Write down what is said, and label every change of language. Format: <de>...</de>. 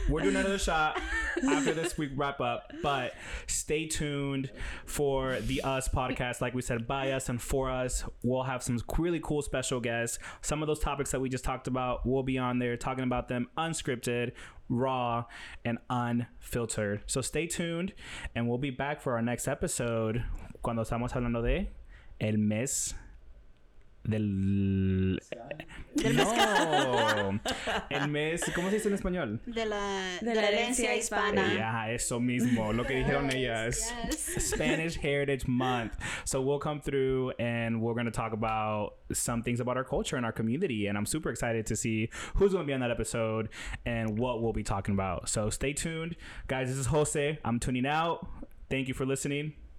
<en>We're doing another shot after this we wrap up, but stay tuned for the Us podcast. Like we said, by us and for us, we'll have some really cool special guests. Some of those topics that we just talked about will be on there, talking about them unscripted, raw, and unfiltered. So stay tuned, and we'll be back for our next episode.</en> <es>Cuando estamos hablando de el mes. El mes, ¿cómo se dice en español? De la herencia hispana. Yeah, eso mismo, lo que dijeron ellas.</es> <en>Yes. Spanish Heritage Month. So we'll come through and we're going to talk about some things about our culture and our community. And I'm super excited to see who's going to be on that episode and what we'll be talking about. So stay tuned. Guys, this is Jose. I'm tuning out. Thank you for listening.</en>